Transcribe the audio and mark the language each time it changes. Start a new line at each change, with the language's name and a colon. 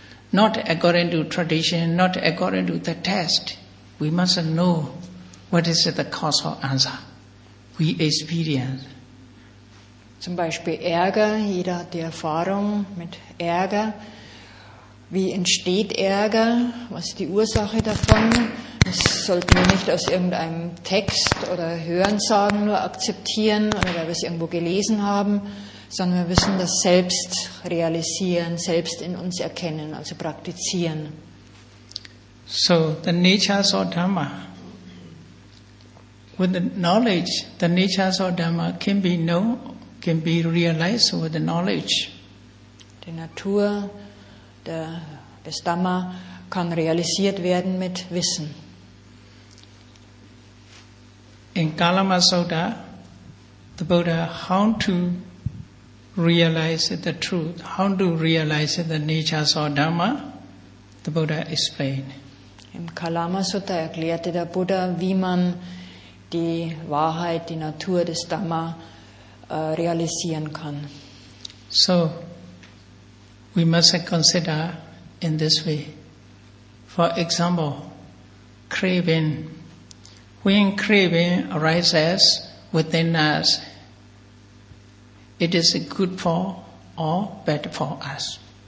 English: Not according to tradition, not according to the test. We must know what is the causal answer. We experience.
German: Zum Beispiel Ärger, jeder hat die Erfahrung mit Ärger. Wie entsteht Ärger? Was ist die Ursache davon? Das sollten wir nicht aus irgendeinem Text oder Hörensagen nur akzeptieren oder weil wir es irgendwo gelesen haben, sondern wir müssen das selbst realisieren, selbst in uns erkennen, also praktizieren.
English: So, the natures of Dhamma. With the knowledge, the natures of Dhamma can be known, can be realized with the knowledge.
German: Die Natur des Dhamma kann realisiert werden mit Wissen.
English: In Kalama Sutta, the Buddha, how to realize the truth, how to realize the natures of Dhamma, the Buddha explained.
German: Im Kalama Sutta erklärte der Buddha, wie man die Wahrheit, die Natur des Dhamma realisieren kann.
English: So, we must consider in this way. For example, craving. When craving arises within us, it is good for or bad for us?